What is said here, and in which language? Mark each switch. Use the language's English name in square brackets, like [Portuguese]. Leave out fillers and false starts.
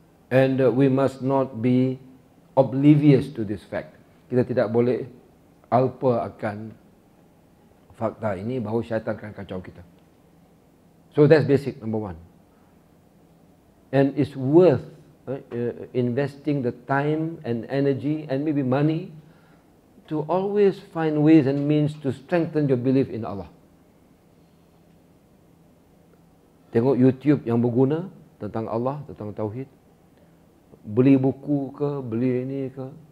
[English] And we must not be oblivious to this fact. [Malay] Kita tidak boleh alpa akan fakta ini bahawa syaitan akan kacau kita. [English] So that's basic number one. And it's worth investing the time and energy and maybe money to always find ways and means to strengthen your belief in Allah. [Malay] Tengok YouTube yang berguna tentang Allah, tentang Tauhid. Beli buku ke, beli ini ke.